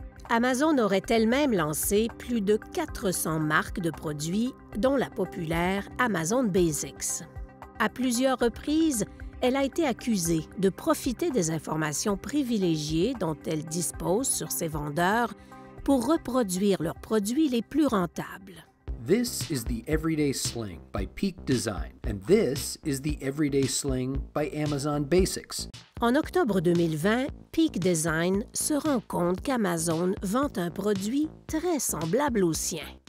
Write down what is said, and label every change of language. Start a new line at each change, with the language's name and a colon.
French: Amazon aurait elle-même lancé plus de 400 marques de produits, dont la populaire Amazon Basics. À plusieurs reprises, elle a été accusée de profiter des informations privilégiées dont elle dispose sur ses vendeurs pour reproduire leurs produits les plus rentables.
English: This is the Everyday Sling by Peak Design, and this is the Everyday Sling by Amazon Basics.
French: En octobre 2020, Peak Design se rend compte qu'Amazon vend un produit très semblable au sien.